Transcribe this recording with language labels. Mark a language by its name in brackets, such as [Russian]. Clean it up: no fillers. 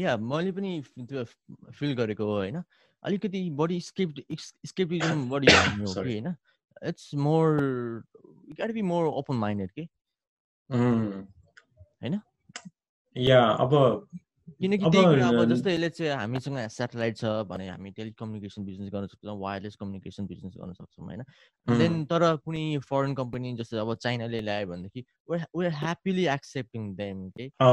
[Nepali] मैले पनि फिल गरेको हो होइन, अलिकति बढी स्क्रिप्ट स्क्रिप्टिजम बढी हुने हो कि होइन. [English] it's more you got to be more open minded के [Nepali] हैन या. अब किनकि त्यही कुरा, अब जस्तै यसले चाहिँ हामीसँग सेटेलाइट छ भने हामी टेलिकम्युनिकेसन बिजनेस गर्न सक्छौँ, वायरलेस कम्युनिकेसन बिजनेस गर्न सक्छौँ होइन. देन तर कुनै फरेन कम्पनी जस्तो अब चाइनाले ल्यायो भनेदेखि [English] we are happily accepting them [Nepali] के.